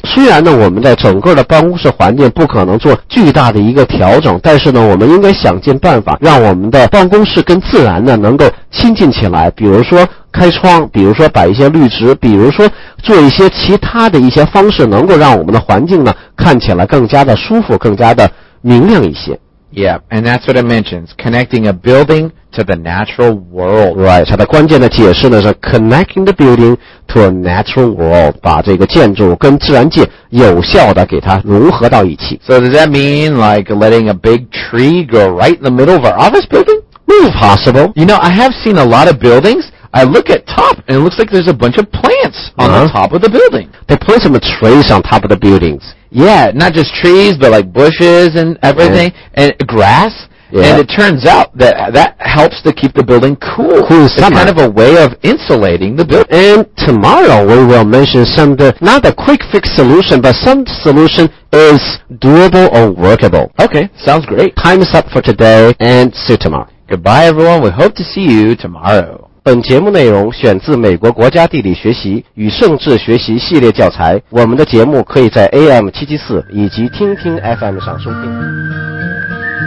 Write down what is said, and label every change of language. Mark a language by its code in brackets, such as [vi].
[zh] 虽然呢我们在整个的办公室环境不可能做巨大的一个调整，但是呢我们应该想尽办法让我们的办公室跟自然呢能够亲近起来，比如说开窗，比如说摆一些绿植，比如说做一些其他的一些方式能够让我们的环境呢看起来更加的舒服，更加的明亮一些。 [en] Yeah, and that's what it mentions, connecting a building to the natural world. Right, [zh] 它的关键的解释呢是 [en] connecting the building to a natural world, [zh] 把这个建筑跟自然界有效的给它融合到一起。 [en] So does that mean like letting a big tree grow right in the middle of our office building? No, possible. You know, I have seen a lot of buildings. I look at top and it looks like there's a bunch of plants on the top of the building. They put some trees on top of the buildings. Yeah, not just trees, but like bushes and everything, and grass. Yeah. And it turns out that that helps to keep the building cool. Cool summer. It's kind of a way of insulating the building. And tomorrow we will mention some, not a quick fix solution, but some solution is doable or workable. Okay, sounds great. Time is up for today, and see you tomorrow. Goodbye, everyone. We hope to see you tomorrow. [zh] 本节目内容选自美国国家地理学习与政治学习系列教材，我们的节目可以在 AM774 以及听听 FM 上收听。